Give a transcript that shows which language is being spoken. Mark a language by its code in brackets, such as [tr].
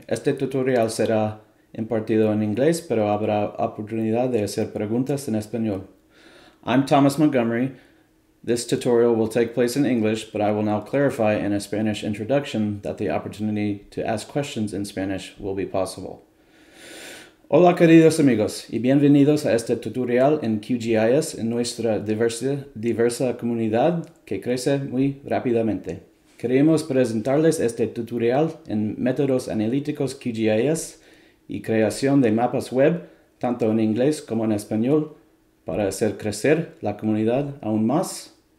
[es] Este tutorial será impartido en inglés, pero habrá oportunidad de hacer preguntas en español. [en] I'm Thomas Montgomery. This tutorial will take place in English, but I will now clarify in a Spanish introduction that the opportunity to ask questions in Spanish will be possible. [es] Hola queridos amigos y bienvenidos a este tutorial en QGIS en nuestra diversa comunidad que crece muy rápidamente. Queremos presentarles este tutorial en métodos analíticos QGIS y creación de mapas web, tanto en inglés como en español, para hacer crecer la comunidad aún más.